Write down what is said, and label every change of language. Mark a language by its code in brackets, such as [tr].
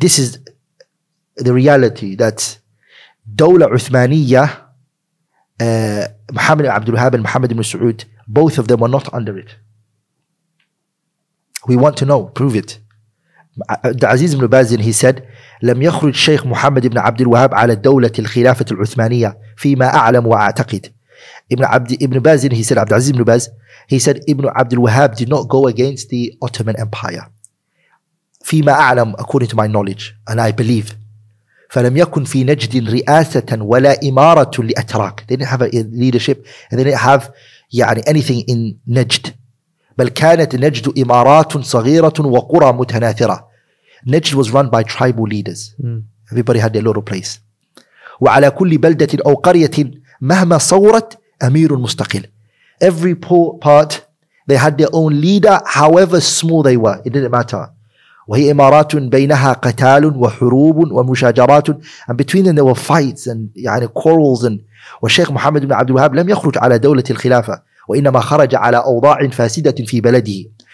[en] this is the reality that Dawla Uthmaniyya, Muhammad ibn Abdul Wahhab and Muhammad ibn Saud, both of them were not under it. We want to know, prove it. [ar] عزيز بن باز, [en] he said, [ar] لم يخرج شيخ محمد بن عبد الوهاب على الدولة الخلافة العثمانية فيما أعلم وأعتقد. [en] ابن باز, he said, عبد العزيز بن باز, he said, ابن عبد الوهاب did not go against the Ottoman Empire [ar] فيما أعلم, [en] according to my knowledge and I believe. [ar] فلم يكن في نجد رئاسة ولا إمارة لأتراك. [en] They didn't have a leadership and they didn't have يعني anything in نجد. [ar] بل كانت نجد إمارات صغيرة وقرى متناثرة. [en] نجد was run by tribal leaders. Everybody had their little place. [ar] وعلى كل بلدة أو قرية مهما صورت أمير مستقل. [en] Every poor part, they had their own leader, however small they were. It didn't matter. [ar] وهي إمارات بينها قتال وحروب ومشاجرات. [en] And between them there were fights and يعني quarrels. [ar] And والشيخ محمد بن عبد الوهاب لم يخرج على دولة الخلافة. وإنما خرج على أوضاع فاسدة في بلده.